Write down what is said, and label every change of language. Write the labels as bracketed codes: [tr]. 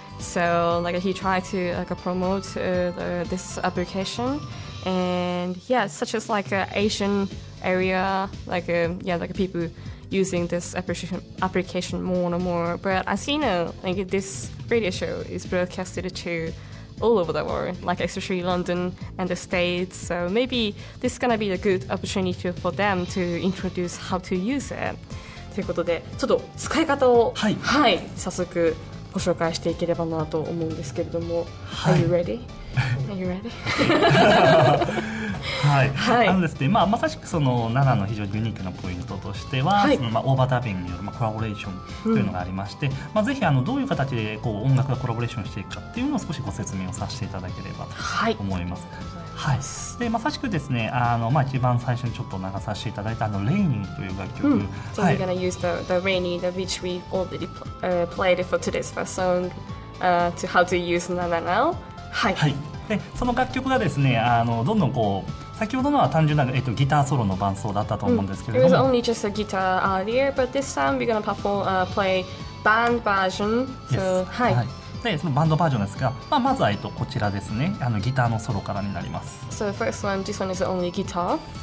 [en] So he tried to promote this application, and such as Asian area, people using this application more and more. But as you know, this radio show is broadcasted to all over the world, especially London and the States. So maybe this is going to be a good opportunity for them to introduce how to use it. [ja] ということで、ちょっと使い方を、はい、はい、早速ご紹介していければなと思うんですけれども、はい、 [en] Are you ready? Are you ready? [ja] はい、はい、ですね、まあ、まさしくその7の非常にユニークなポイントとしては、はい、そのまあ、オーバーダビングによるまあコラボレーションというのがありまして、うん、まあ、ぜひどういう形でこう音楽がコラボレーションしていくかっていうのを少しご説明をさせていただければと思います。はい、はい、でまさしくですね、まあ、一番最初にちょっと流させていただいたレイニーという楽曲、 [en] うん、So we're gonna use the rainy the which we already played for today's first song to how to use Nana now. [ja] はい、はい、でその楽曲がですね、どんどんこう先ほどのは単純な、ギターソロの伴奏だったと思うんですけれども、 [en] It was only just a guitar earlier, but this time we're gonna perform play band version. So, yes. はい、 [ja] でそのバンドバージョンですが、まあ、まずは、こちらですね、ギターのソロからになります。 [en] So first one, this one is only guitar.